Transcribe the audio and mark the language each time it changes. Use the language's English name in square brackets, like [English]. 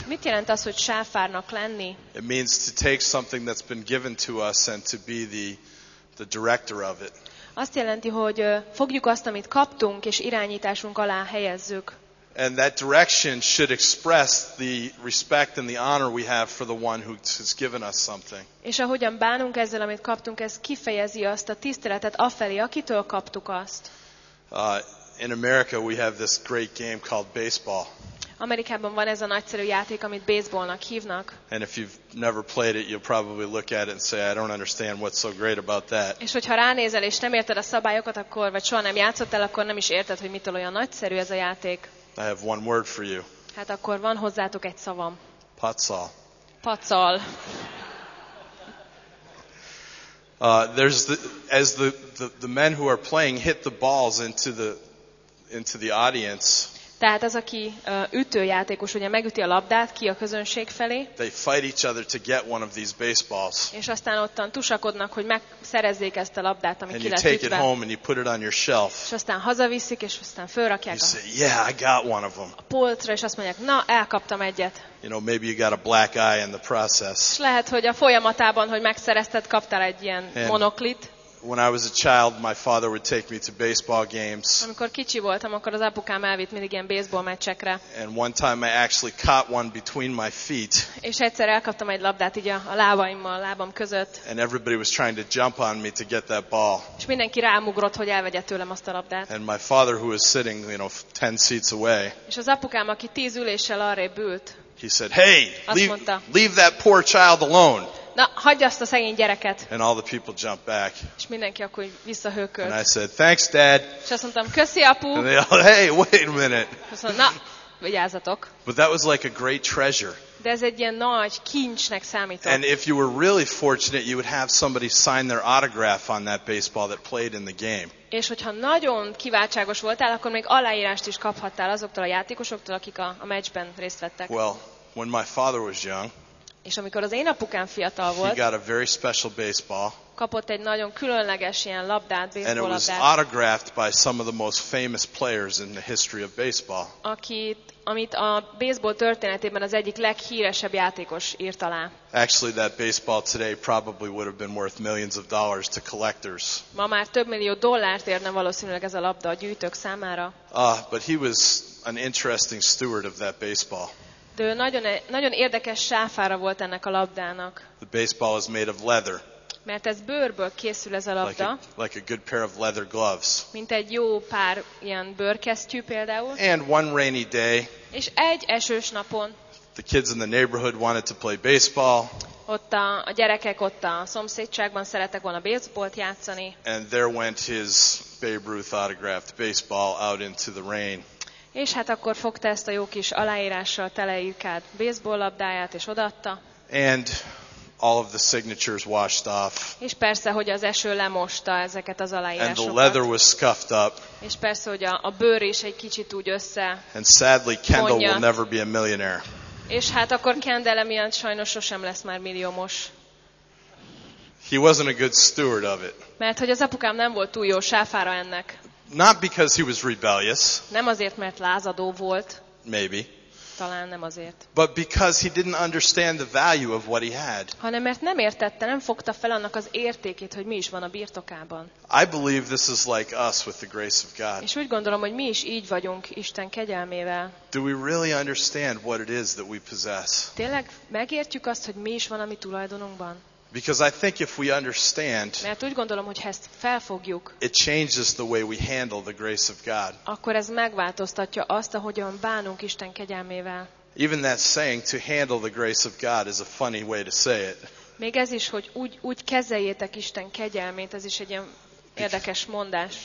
[Hungarian] Mit jelent az, hogy sáfárnak lenni? [English] It means to take something that's been given to us and to be the director of it. [Hungarian] Azt jelenti, hogy fogjuk azt, amit kaptunk, és irányításunk alá helyezzük. [English] And that direction should express the respect and the honor we have for the one who has given us something. [Hungarian] És ahogyan bánunk ezzel, amit kaptunk, ez kifejezi azt a tiszteletet afelé, akitől kaptuk azt. [English] In America we have this great game called baseball. [Hungarian] Amerikában van ez a nagyszerű játék, amit baseballnak hívnak. [English] And if you've never played it, you'll probably look at it and say, I don't understand what's so great about that. [Hungarian] És hogyha ránézel és nem érted a szabályokat, akkor vagy soha nem játszottál, akkor nem is érted, hogy mitől olyan nagyszerű ez a játék. [English] I have one word for you. [Hungarian] Hát akkor van hozzátok egy szavam. Patsal. Patsal. [English] There's the as the men who are playing hit the balls into the audience. [Hungarian] Tehát az, aki ütőjátékos, ugye megüti a labdát ki a közönség felé. [English] They fight each other to get one of these baseballs. [Hungarian] És aztán ottan tusakodnak, hogy megszerezzék ezt a labdát, ami [English] and [Hungarian] ki lett ütve. [English] And you take it home and you put it on your shelf. [Hungarian] És aztán hazaviszik, és aztán fölrakják. [English] You say, yeah, I got one of them. [Hungarian] A poltra, és azt mondják, na, elkaptam egyet. [English] You know, maybe you got a black eye in the process. [Hungarian] És lehet, hogy a folyamatában, hogy megszerezted, kaptál egy ilyen monoklit. [English] When I was a child, my father would take me to baseball games. [Hungarian] Amikor kicsi voltam, akkor az apukám elvitt mindig ilyen baseball meccsekre. [English] And one time I actually caught one between my feet. [Hungarian] És egyszer elkaptam egy labdát így a lábaimmal, a lábam között. [English] And everybody was trying to jump on me to get that ball. [Hungarian] És mindenki rámugrott, hogy elvegye tőlem azt a labdát. [English] And my father, who was sitting, you know, 10 seats away. [Hungarian] És az apukám, aki 10 üléssel arrébb ült. [English] He said, "Hey, leave that poor child alone." [Hungarian] Na, hagyj azt a szegény gyereket. [English] And all the people jumped back. [Hungarian] És mindenki akkor visszahőkölt. [English] And I said, thanks, Dad. [Hungarian] És azt mondtam, köszi, apu. [English] And they all, hey, wait a minute. [Hungarian] És azt mondtam, na, vigyázzatok. [English] But that was like a great treasure. [Hungarian] De ez egy ilyen nagy kincsnek számított. [English] And if you were really fortunate, you would have somebody sign their autograph on that baseball that played in the game. [Hungarian] És hogyha nagyon kiváltságos voltál, akkor még aláírást is kaphattál azoktól a játékosoktól, akik a meccsben részt vettek. [English] Well, when my father was young, [Hungarian] és amikor az én apukám fiatal volt, [English] he got a very special baseball, [Hungarian] kapott egy nagyon különleges ilyen labdát, baseball [English] and it was [Hungarian] labdát, [English] autographed by some of the most famous players in the history of baseball. [Hungarian] Amit a baseball történetében az egyik leghíresebb játékos írt alá. [English] Actually, that baseball today probably would have been worth millions of dollars to collectors. [Hungarian] Ma már több millió dollárt érne valószínűleg ez a labda a gyűjtők számára. [English] But he was an interesting steward of that baseball. [Hungarian] De ő nagyon érdekes sáfára volt ennek a labdának. [English] The baseball is made of leather. [Hungarian] Mert ez bőrből készül ez a labda. [English] Like a good pair of leather gloves. [Hungarian] Mint egy jó pár ilyen bőrkesztyű például. [English] And one rainy day. [Hungarian] És egy esős napon. [English] The kids in the neighborhood wanted to play baseball. [Hungarian] Ott a gyerekek ott a szomszédságban szerettek volna baseballt játszani. [English] And there went his Babe Ruth autographed baseball out into the rain. [Hungarian] És hát akkor fogta ezt a jó kis aláírással teleírkált baseball labdáját és odaadta. [English] And all of the signatures washed off. [Hungarian] És persze, hogy az eső lemosta ezeket az aláírásokat. [English] And the leather was scuffed up. [Hungarian] És persze, hogy a bőr is egy kicsit úgy össze. [English] And sadly, Kendall will never be a millionaire. [Hungarian] És hát akkor Kendall emiatt sajnos sosem lesz már milliómos. [English] He wasn't a good steward of it. [Hungarian] Mert hogy az apukám nem volt túl jó sáfára ennek. [English] Not because he was rebellious. [Hungarian] Nem azért, mert lázadó volt. [English] Maybe. [Hungarian] Talán nem azért. [English] But because he didn't understand the value of what he had. [Hungarian] Hanem mert nem értette, nem fogta fel annak az értékét, hogy mi is van a birtokában. [English] I believe this is like us with the grace of God. [Hungarian] És úgy gondolom, hogy mi is így vagyunk Isten kegyelmével. [English] Do we really understand what it is that we possess? [Hungarian] Tényleg megértjük azt, hogy mi is van a mi tulajdonunkban? [English] Because I think if we understand, [Hungarian] mert úgy gondolom, hogy ezt felfogjuk, [English] it changes the way we handle the grace of God. [Hungarian] Akkor ez megváltoztatja azt, ahogyan bánunk Isten kegyelmével. [English] Even that saying, to handle the grace of God, is a funny way to say it. [Hungarian] Még ez is, hogy úgy kezeljétek Isten kegyelmét, ez is egy ilyen érdekes mondás.